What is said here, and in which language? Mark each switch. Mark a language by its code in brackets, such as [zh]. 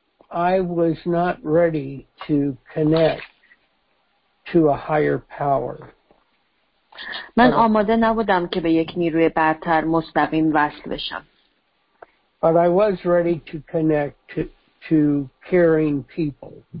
[en] I was not ready to connect to a higher power. [fa] من آماده نبودم که به یک نیروی برتر مستقیم وصل بشم. [en] But I was ready to connect to caring people.